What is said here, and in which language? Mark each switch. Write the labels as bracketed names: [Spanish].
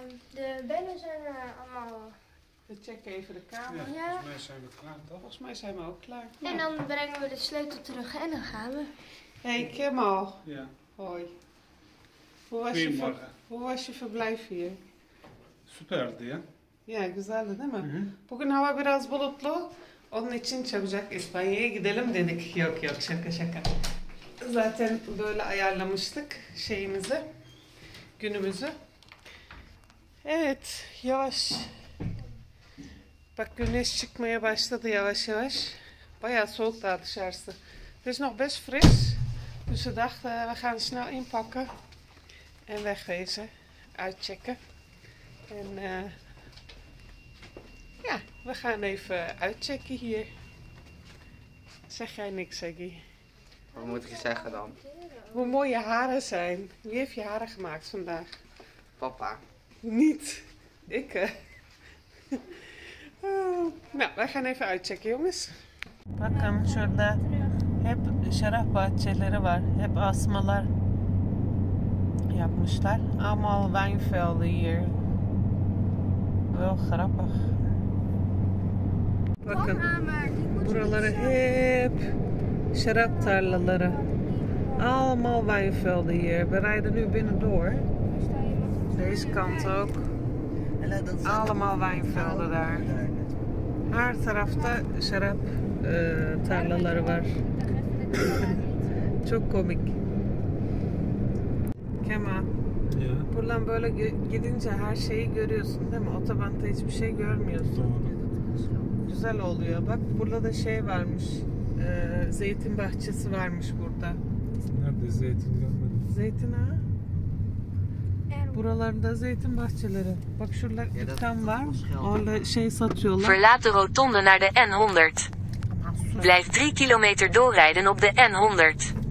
[Dutch] De bellen zijn allemaal. We checken even de kamer. Ja, volgens mij zijn we klaar, toch? Volgens mij zijn we ook klaar. En dan brengen we de sleutel terug en dan gaan we. Hey Kemal. Ja. Hoi. Goedemorgen. Hoe was je verblijf hier? [Turkish] Süperdi ya. Ja, güzeldi değil mi? Hı. Bugün hava biraz bulutlu. Onun için çabucak İspanya'ya gidelim dedik. Yok yok, şaka şaka. Zaten böyle ayarlamıştık şeyimizi, günümüzü. Evet, yavaş. Bak güneş çıkmaya başladı yavaş yavaş. Bayağı soğuk daha dışarısı. [Dutch] Het is nog best fris. Dus we dachten, we gaan snel inpakken. En wegwezen. Uitchecken. En ja, we gaan even uitchecken hier. Zeg jij niks, Zeggy? Wat moet ik zeggen dan? Hoe mooi je haren zijn. Wie heeft je haren gemaakt vandaag? Papa. Niet. Ik. Nou, wij gaan even uitchecken, jongens. [Turkish] Bakın şurada hep şarap bahçeleri var. Hep asmalar yapmışlar. [Dutch] Allemaal wijnvelden hier. Wel grappig. [Turkish] Bakın buraları hep şarap tarlaları. [Dutch] Allemaal wijnvelden hier. We rijden nu binnendoor. Deze kant ook. Allemaal wijnvelden daar. [Turkish] Her tarafta şarap tarlaları var. Çok komik. Kemal, ya. Buradan böyle gidince her şeyi görüyorsun değil mi? Otobanda hiçbir şey görmüyorsun. Doğru. Güzel oluyor. Bak burada da şey varmış. Zeytin bahçesi varmış burada. Nerede zeytin görmedim? Zeytin ha? Buralarında zeytin bahçeleri. Bak şurada dükkan var. Orada şey satıyorlar. [Dutch] Verlaat de rotonde naar de N100. Blijf 3 kilometer doorrijden op de N100.